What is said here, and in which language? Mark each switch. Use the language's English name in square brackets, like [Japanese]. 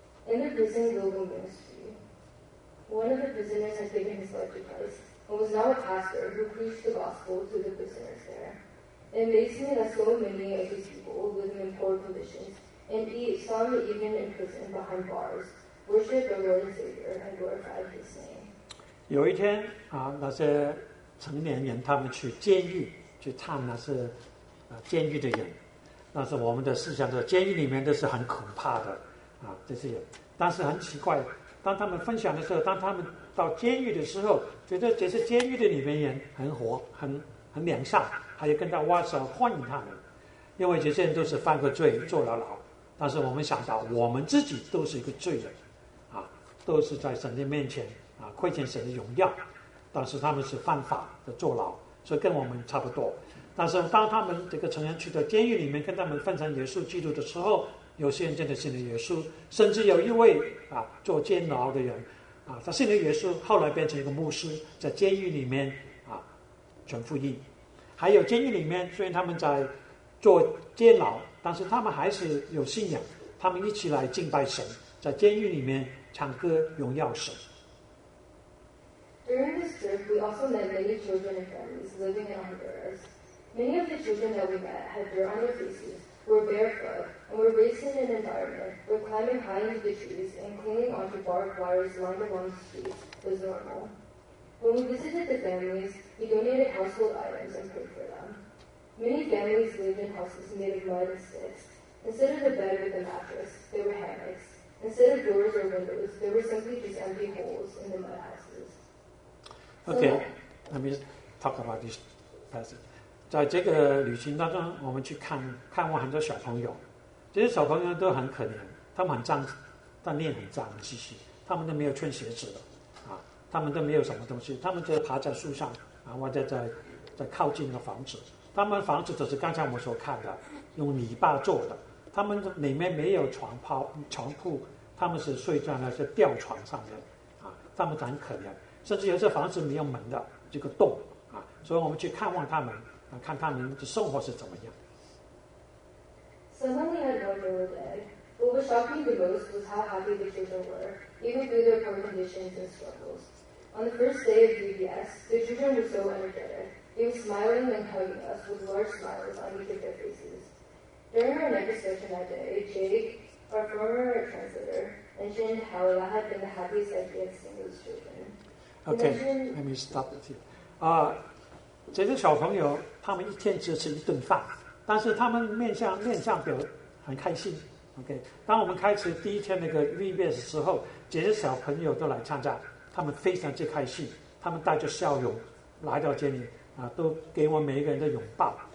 [English] In the prison global ministry, one of the prisoners had given his life to Christ and was now a pastor who preached the gospel to the prisoners there. It amazed me that so many of these people living in poor conditions, and some even in prison behind bars, worship the Lord and Savior and glorify his name. [Chinese] 有一天啊，那些成年人他们去监狱去探那些、监狱的人，那是我们的思想，在监狱里面都是很可怕的啊，这些人。但是很奇怪，当他们分享的时候，当他们到监狱的时候，觉得这些监狱的里面人很活，很良善，还有跟他握手欢迎他们，因为这些人都是犯过罪坐了牢。但是我们想到我们自己都是一个罪人啊，都是在神的面前啊，亏欠神的荣耀，但是他们是犯法的坐牢，所以跟我们差不多。但是当他们这个成员去到监狱里面，跟他们分享耶稣基督的时候，有些人真的信了耶稣，甚至有一位啊坐监牢的人啊，他信了耶稣，后来变成一个牧师，在监狱里面啊传福音。还有监狱里面，虽然他们在坐监牢，但是他们还是有信仰，他们一起来敬拜神，在监狱里面唱歌荣耀神。 [English] During this trip, we also met many children and families living in Honduras. Many of the children that we met had dirt on their faces, were barefoot, and were raised in an environment where climbing high into the trees and clinging onto barbed wires lined along the streets was normal. When we visited the families, we donated household items and prayed for them. Many families lived in houses made of mud and sticks. Instead of the bed with a mattress, there were hammocks. Instead of doors or windows, there were simply just empty holes in the mud house. Okay, let me talk about this passage. [Chinese] 在这个旅行当中，我们去看看望很多小朋友，这些小朋友都很可怜，他们很脏，但脸很脏兮兮，他们都没有穿鞋子的，啊，他们都没有什么东西，他们就爬在树上，啊，或者在靠近的房子，他们房子就是刚才我们所看的，用泥巴做的，他们里面没有床铺，他们是睡在那些吊床上面，啊，他们都很可怜。甚至有些房子没有门的这个洞啊，所以我们去看望他们，看他们的生活是怎么样。 [English] Suddenly, I had one more day. What was shocking the most was how happy the children were, even through their poor conditions and struggles. On the first day of VBS, the children were so energetic. They were smiling and hugging us with large smiles on each of their faces. During our next session that day, Jake, our former translator, mentioned how that had been the happiest that he had seen those children. Okay, let me stop it here. [Chinese] 这些小朋友他们一天只吃一顿饭，但是他们面向表很开心。 Okay, 当我们开始第一天那个 VBS 之后，这些小朋友都来参加，他们非常之开心，他们带着笑容来到这里啊，都给我每一个人的拥抱。